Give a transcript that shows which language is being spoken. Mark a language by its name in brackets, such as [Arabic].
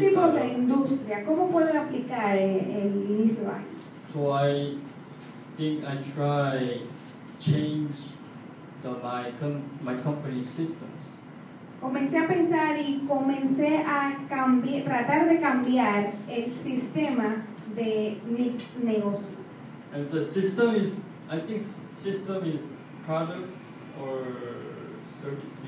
[Spanish] Tipo de industria, ¿cómo puedo aplicar el inicio ahí? [English] So I think I try change the my company systems. [Spanish] Comencé a pensar y comencé a tratar de cambiar el sistema de mi negocio. [English] And the system is, I think system is product or service.